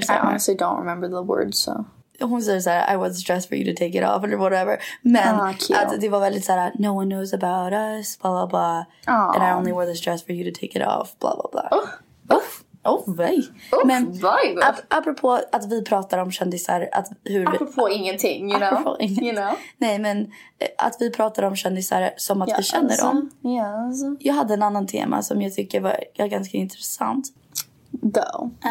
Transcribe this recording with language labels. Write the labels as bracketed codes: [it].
[en] summer. I honestly don't remember the words, so. Hon säger såhär, I was dressed for you to take it off or whatever. Men [sv] alltså, [en] det var väldigt såhär, no one knows about us, blah blah blah. Aww. And I only wore this dress for you to take it off, blah blah blah. Oof. [sv] Men apropå att vi pratar om kändisar, att hur apropå vi, [en] ingenting, you know? [sv] Apropå ingenting, [en] you know? [sv] Nej, men att vi pratar om kändisar som att vi känner dem. [en] Yes. [sv] Jag hade en annan tema som jag tycker var ganska intressant. [en] Go.